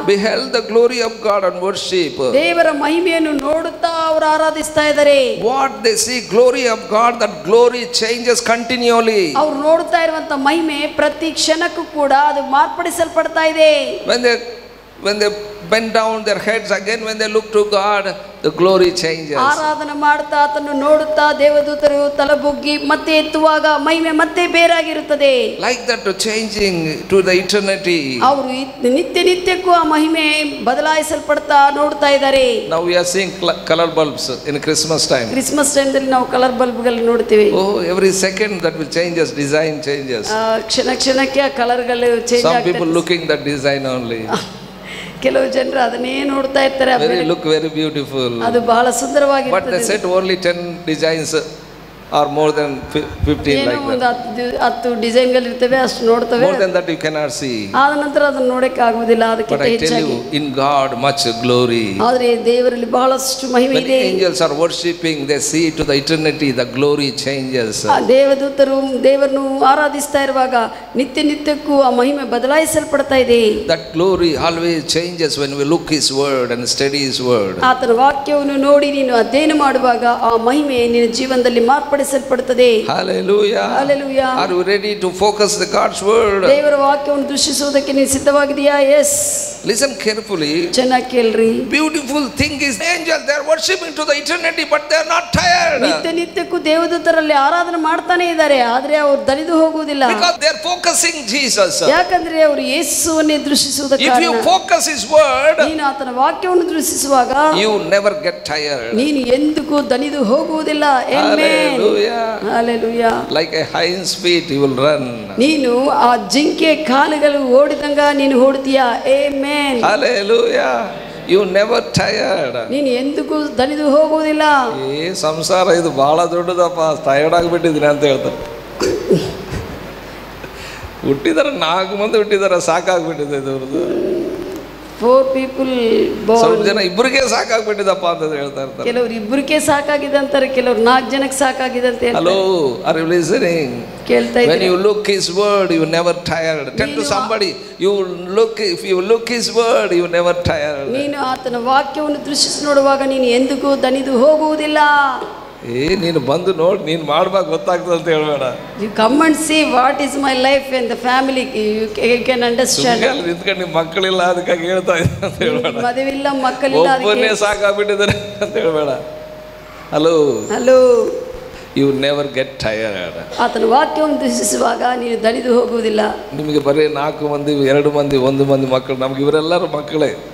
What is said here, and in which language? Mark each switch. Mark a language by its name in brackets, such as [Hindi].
[English] Beheld the glory of God and worship. [Kannada] ದೇವರ ಮಹಿಮೆಯನ್ನು ನೋಡುತ್ತಾ ಅವರು ಆರಾಧಿಸ್ತಾ ಇದ್ದಾರೆ. [English] What they see glory of God, that glory changes continually. [Kannada] ಅವರು ನೋಡುತ್ತಾ ಇರುವಂತ ಮಹಿಮೆ ಪ್ರತಿ ಕ್ಷಣಕ್ಕೂ ಕೂಡ ಅದು ಮಾರ್ಪಡಿಸಲ್ಪಡ್ತಾ ಇದೆ. [English] When they bend down their heads again, when they look to God, the glory changes. [Kannada] ಆರಾಧನೆ ಮಾಡುತ್ತಾ ಆತನ್ನು ನೋಡುತ್ತಾ ದೇವದೂತರು ತಲೆಬುಗ್ಗಿ ಮತ್ತೆ ಎತ್ತುವಾಗ ಮಹಿಮೆ ಮತ್ತೆ ಬೇರಾಗಿರುತ್ತದೆ. [English] Like that changing to the eternity. [Kannada] ಅವರು ನಿತ್ಯ ನಿತ್ಯಕ್ಕೂ ಆ ಮಹಿಮೆ ಬದಲಾಯಿಸಲ್ಪಡ್ತಾ ನೋಡ್ತಾ ಇದ್ದಾರೆ. [English] Now we are seeing color bulbs in Christmas time. [Kannada] Christmas ಟೈಮಲ್ಲಿ ನಾವು ಕಲರ್ ಬಲ್ಬ್ಗಳನ್ನು ನೋಡ್ತೀವಿ. [English] Oh, every second that will change us, design changes. [Kannada] ಕ್ಷಣ ಕ್ಷಣಕ್ಕೆ ಆ ಕಲರ್ಗಳು ಚೇಂಜ್ ಆಗುತ್ತೆ. [English] Some people looking that design only. [Kannada] ಕೆಲವು ಜನರು ಅದನ್ನೇ ನೋಡ್ತಾ ಇರ್ತಾರೆ. [English] very look very beautiful, [Kannada] ಅದು ಬಹಳ ಸುಂದರವಾಗಿ. [English] But they set only 10 designs are more than 15 like that. [Kannada] ಅದು ಡಿಸೈನ್ ಗಳು ಇರ್ತವೆ, ಅಷ್ಟು ನೋಡ್ತವೆ. [English] More than that you cannot see. [Kannada] ಆದ ನಂತರ ಅದನ್ನು ನೋಡಕ್ಕೆ ಆಗುವುದಿಲ್ಲ. ಅದಕ್ಕಿಂತ ಹೆಚ್ಚಾಗಿ [English] In God much glory. [Kannada] ಆದ್ರೆ ದೇವರಲ್ಲಿ ಬಹಳಷ್ಟು ಮಹಿಮೆ ಇದೆ. [English] Angels are worshipping, they see to the eternity, the glory changes. [Kannada] ದೇವದೂತರು ದೇವರನ್ನು ಆರಾಧಿಸ್ತಾ ಇರುವಾಗ ನಿತ್ಯ ನಿತ್ಯಕ್ಕೂ ಆ ಮಹಿಮೆ ಬದಲಾಯಿಸಲ್ಪಡ್ತಾ ಇದೆ. [English] That glory always changes when we look his word and study his word. [Kannada] ಆತನ ವಾಕ್ಯವನ್ನು ನೋಡಿ ನೀನು ಅಧ್ಯಯನ ಮಾಡುವಾಗ ಆ ಮಹಿಮೆ ನಿನ್ನ ಜೀವನದಲ್ಲಿ ಮಾರ್ಪಡಿಸಲ್ಪಡುತ್ತದೆ. [English] Hallelujah. Hallelujah. Are you ready to focus the God's word? [Kannada] ದೇವರ ವಾಕ್ಯವನ್ನು ದೃಶಿಸುವುದಕ್ಕೆ ನೀನು ಸಿದ್ಧವಾಗಿದೆಯಾ? [English] Yes. Listen carefully. [Kannada] ಚೆನ್ನಾಗಿ ಕೇಳ್ರಿ. [English] Beautiful thing is angel, they are worshiping to the eternity but they are not tired. [Kannada] ನಿತ್ಯ ನಿತ್ಯಕ್ಕೂ ದೇವದೂತರಲ್ಲಿ ಆರಾಧನೆ ಮಾಡ್ತಾನೆ ಇದ್ದಾರೆ, ಆದರೆ ಅವರು ದಣಿದು ಹೋಗುವುದಿಲ್ಲ. [English] Because they are focusing Jesus. [Kannada] ಯಾಕಂದ್ರೆ ಅವರು ಯೇಸುವನ್ನೇ ದೃಶಿಸುವುದಕ್ಕೆ. [English] If you focus his word, [Kannada] ನೀನು ಆತನ ವಾಕ್ಯವನ್ನು ದೃಶಿಸುವಾಗ [English] you never get tired. [Kannada] ನೀನು ಎಂದಿಗೂ ದಣಿದು ಹೋಗುವುದಿಲ್ಲ. [English] Hallelujah. Hallelujah. Like a hind's feet you will run. [Kannada] ನೀನು ಆ ಜಿಂಕೆ ಕಾಲುಗಳು ಓಡಿದಂಗ ನೀನು ಓಡ್ತೀಯ. Amen. [English] Hallelujah. You never tired. [Kannada] ನೀನು ಎಂದಿಗೂ ದಣಿದು ಹೋಗುವುದಿಲ್ಲ. ಈ ಸಂಸಾರ ಇದು ಬಹಳ ದೊಡ್ಡದಪ್ಪ, ಟೈರ್ಡ್ ಆಗಿಬಿಟ್ಟಿದ್ದೀನಿ ಅಂತ ಹೇಳ್ತಾರೆ. ಹುಟ್ಟಿದಾರೆ, ನಾಲ್ಕು ಮಂದಿ ಹುಟ್ಟಿದಾರೆ, ಸಾಕಾಗ್ಬಿಟ್ಟಿದೆ ಇದ್ರದ್ದು. [English] four people [Kannada] ಸ್ವಲ್ಪ ಜನ ಇಬ್ಬರಿಗೆ ಸಾಕಾಗ್ಬಿಟ್ಟಿದಪ್ಪ ಅಂತ ಹೇಳ್ತಾ ಇರ್ತಾರೆ. ಕೆಲವ್ರು ಇಬ್ಬರಿಗೆ ಸಾಕಾಗಿದೆ ಅಂತಾರೆ, ಕೆಲವ್ರು ನಾಲ್ಕು ಜನಕ್ಕೆ ಸಾಕಾಗಿದೆ ಅಂತ. [English] Hello, are you listening? When you look his word, you never tired. Tell to somebody, if you look his word, you never tired. [Kannada] ನೀನು ಆತನ ವಾಕ್ಯವನ್ನು ದೃಶಿಸಿ ನೋಡುವಾಗ ನೀನು ಎಂದಿಗೂ ದಣಿದು ಹೋಗುವುದಿಲ್ಲ. ಏ, ನೀನು ಬಂದು ನೋಡಿ, ನೀನು ಮಾಡ್ಬೇಕು ಗೊತ್ತಾಗ್ತದೆ ಅಂತ ಹೇಳಬೇಡ. [English] You come and see what is my life and the family, you can understand. [Kannada] ಸುಮ್ಮನೆ ನಿಂತ್ಕೊಂಡು ನಿಮ್ಮ ಮಕ್ಕಳಿಲ್ಲ ಅದಕ್ಕಾಗಿ ಹೇಳ್ತಾ ಇದ್ದೆ ಅಂತ ಹೇಳಬೇಡ. ಮದುವಿಲ್ಲ ಮಕ್ಕಳಿಲ್ಲ ಅದಕ್ಕೆ ಒಬ್ಬನೇ ಸಾಕಾಗ್ಬಿಟ್ಟಿದ್ದಾನೆ ಅಂತ ಹೇಳಬೇಡ. [English] Hello hello, you never get tired. [Kannada] ಆತನು ವಾಕ್ಯವನ್ನು ದೃಶಿಸುವಾಗ ನೀನು ದಣಿದು ಹೋಗುವುದಿಲ್ಲ. ನಿಮಗೆ ಬರೀ ನಾಲ್ಕು ಮಂದಿ, ಎರಡು ಮಂದಿ, ಒಂದು ಮಂದಿ ಮಕ್ಕಳು, ನಮ್ಗೆ ಇವರೆಲ್ಲರೂ ಮಕ್ಕಳೇ.